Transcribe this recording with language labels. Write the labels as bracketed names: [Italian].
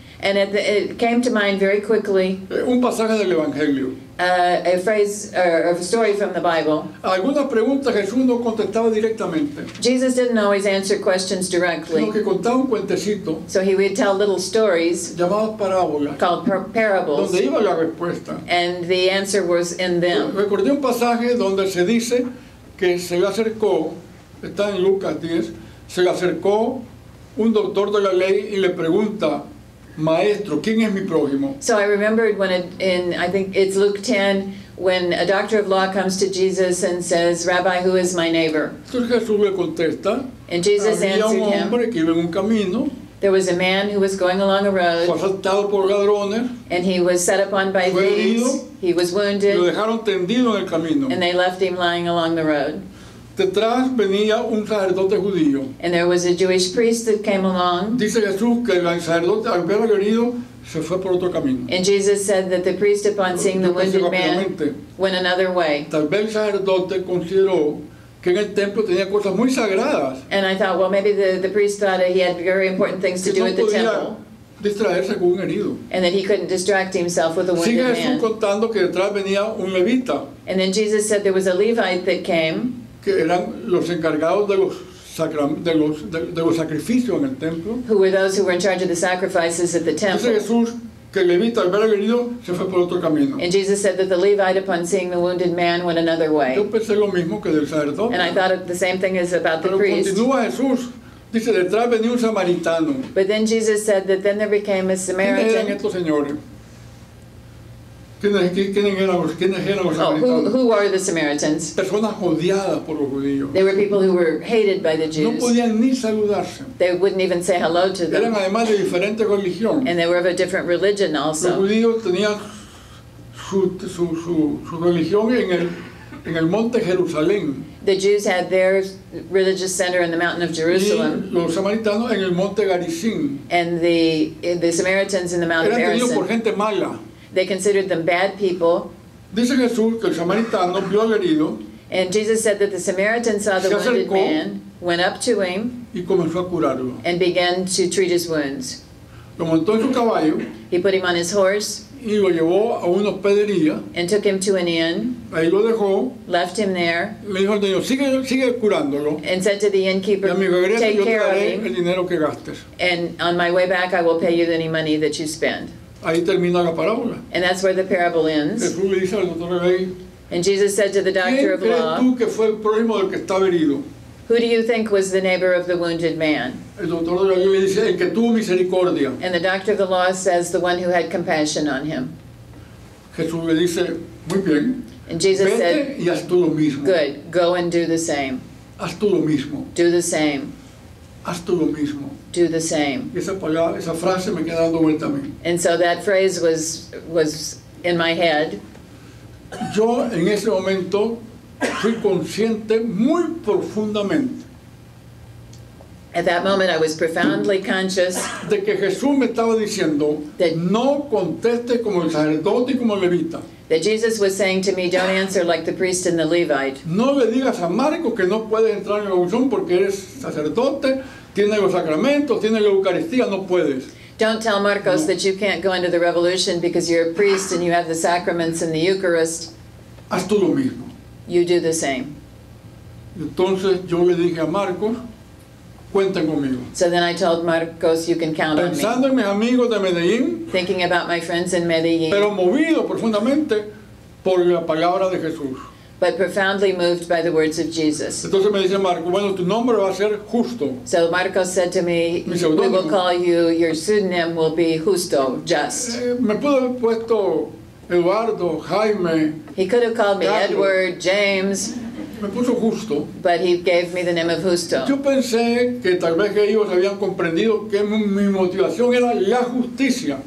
[English] And it came to mind very quickly. [Spanish] Un pasaje del Evangelio. [English] A phrase or a story from the Bible. [Spanish] Alguna pregunta Jesús no contestaba directamente. [English] Jesus didn't always answer questions directly. [Spanish] Sino que contaba un cuentecito. [English] So he would tell little stories. [Spanish] Llamadas parábolas. [English] Called parables. [Spanish] Donde iba la respuesta. [English] And the answer was in them. [Spanish] Recordé un pasaje donde se dice que se le acercó. Está en Lucas 10. Se le acercó un doctor de la ley y le pregunta. Maestro, ¿quién es mi prójimo? [English] So I remembered when I think it's Luke 10, when a doctor of law comes to Jesus and says, Rabbi, who is my neighbor? [Spanish] Entonces Jesús le contesta, [English] and Jesus [Spanish] había [English] answered [Spanish] un hombre [English] him, [Spanish] que iba en un camino, [English] there was a man who was going along a road, [Spanish] fue asaltado por ladrones, [English] and he was set upon by [Spanish] fue herido, [English] thieves, he was wounded, [Spanish] lo dejaron tendido en el camino, [English] and they left him lying along the road. [Spanish] Detrás venía un sacerdote judío. [English] And there was a Jewish priest that came along. [Spanish] Dice Jesús que el sacerdote al ver al herido se fue por otro camino. [English] And Jesus said that the priest upon seeing the wounded man went another way. [Spanish] Tal vez el sacerdote consideró que en el templo tenía cosas muy sagradas. [English] And I thought, well, maybe the priest thought that he had very important things to do at the temple. [Spanish] Distraerse con un herido. [English] And that he couldn't distract himself with a wounded man. [Spanish] Sigue Jesús contando que detrás venía un levita. [English] And then Jesus said there was a Levite that came. [Spanish] Que eran los encargados de los sacrificios en el templo. [English] Who were those who were in charge of the sacrifices at the temple? [Spanish] Dice Jesús que el levita al ver al herido se fue por otro camino. [English] And Jesus said that the Levite upon seeing the wounded man went another way. [Spanish] Yo pensé lo mismo que del sacerdote. [English] And I thought of the same thing as about the priest. [Spanish] Pero continúa Jesús, dice detrás venía un samaritano. [English] But then Jesus said that then there became a Samaritan. [Spanish] ¿Quiénes eran estos señores? [English] Who are the Samaritans? [Spanish] Personas odiadas por los judíos. [English] They were people who were hated by the Jews. [Spanish] No podían ni saludarse. [English] They wouldn't even say hello to them. [Spanish] Eran además de diferente religión. [English] And they were of a different religion also. [Spanish] Los judíos tenían su religión en el monte Jerusalén. [English] The Jews had their religious center in the mountain of Jerusalem. [Spanish] Y los samaritanos en el monte Garizim. [English] And the Samaritans in the Mount [Spanish] eran [English] of Gerizim. [Spanish] Eran tenidos por gente mala. [English] They considered them bad people. [Spanish] Dice Jesús que el samaritano vio al herido. [English] And Jesus said that the Samaritan saw the wounded man, went up to him, [Spanish] y comenzó a curarlo. [English] And began to treat his wounds. [Spanish] Lo montó en su caballo. [English] He put him on his horse. [Spanish] Y lo llevó a una hospedería. [English] And took him to an inn. [Spanish] Ahí lo dejó. [English] Left him there. [Spanish] Le dijo al dueño, sigue curándolo. [English] And said to the innkeeper, take care of him. [Spanish] El dinero que gastes. [English] And on my way back, I will pay you any money that you spend. [Spanish] Ahí termina la parábola. [English] And that's where the parable ends. [Spanish] Jesús le dice al doctor de ley, [English] and Jesus said to the doctor of law, [Spanish] ¿tú que fue el prójimo del que estaba herido? [English] Who do you think was the neighbor of the wounded man? [Spanish] El doctor de la ley le dice, el que tuvo misericordia. [English] And the doctor of the law says, the one who had compassion on him. [Spanish] Jesús le dice, muy bien. [English] And Jesus [Spanish] vete [English] said, [Spanish] y haz tú lo mismo. [English] Good, go and do the same. [Spanish] Haz tú lo mismo. [English] Do the same. [Spanish] Haz tú lo mismo. [English] Do the same. [Spanish] Esa frase me queda dando vuelta a mí. [English] And so that phrase was in my head. [Spanish] Yo en ese momento fui consciente muy profundamente. [English] At that moment I was profoundly conscious. [Spanish] De que Jesús me estaba diciendo that, no conteste como el sacerdote y como el levita. [English] That Jesus was saying to me, don't answer like the priest and the Levite. [Spanish] No le digas a Marcos que no puedes entrar en la unción porque eres sacerdote, tienes los sacramentos, tienes la Eucaristía, no puedes. [English] Don't tell Marcos no. That you can't go into the revolution because you're a priest and you have the sacraments and the Eucharist. [Spanish] Haz tú lo mismo. [English] You do the same. [Spanish] Entonces yo le dije a Marcos, cuenten conmigo. [English] So then I told Marcos, you can count [Spanish] pensando Pensando en mis amigos de Medellín. [English] Thinking about my friends in Medellín. [Spanish] Pero movido profundamente por la palabra de Jesús. [English] But profoundly moved by the words of Jesus. [Spanish] Entonces me dice Marcos, bueno, tu nombre va a ser Justo. [English] So Marcos said to me, we will call you, your pseudonym will be Justo, just. [Spanish] Me pudo haber puesto Eduardo, Jaime. [English] He could have called me Edward, James. [Spanish] Me puso Justo. [English] But he gave me the name of Justo. [Spanish] Yo pensé que tal vez que ellos habían comprendido que mi motivación era la justicia.